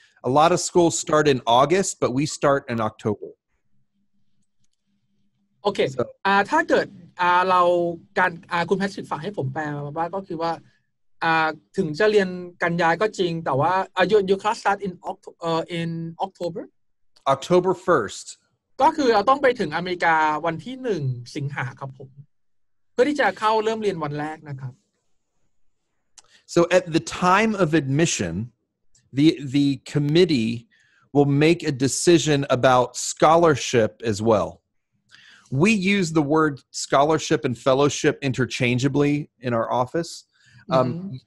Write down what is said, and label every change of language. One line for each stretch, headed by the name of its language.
English: A lot of schools start in August, but we start in October. Okay.
Thai: So, ถ้าเกิดเราการคุณแพทริกฝากให้ผมแปลว่าก็คือว่าถึงจะเรียนกันยายก็จริงแต่ว่า
English: your class start in October? October 1st.
Thai: ก็คือเราต้องไปถึงอเมริกาวันที่1สิงหาครับผมเพื่อที่จะเข้าเริ่มเรียนวันแรกนะครับ
English: So at the time of admission the committee will make a decision about scholarship as well We use the word scholarship and fellowship interchangeably in our office mm-hmm.